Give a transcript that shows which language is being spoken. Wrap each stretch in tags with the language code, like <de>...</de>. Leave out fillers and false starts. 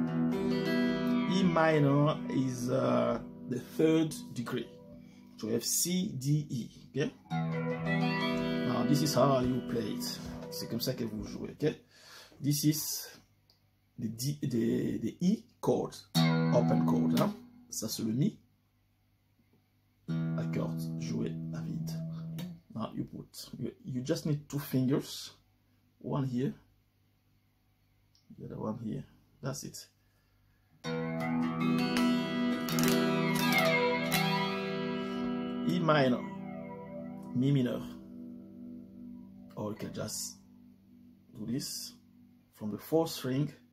<en>E minor is the third degree. So we have C, D, E. Okay? Now this is how you play it.</en> <fr>C'est comme ça que vous jouez. Okay?</fr> <en>This is the D, the E chord, open chord. Hein?</en> <fr>Ça c'est le Mi, accord joué à vide.</fr> <en>Now you put, you just need two fingers, one here, the other one here, that's it. E minor, Mi minor, or you can just do this from the fourth string.</en>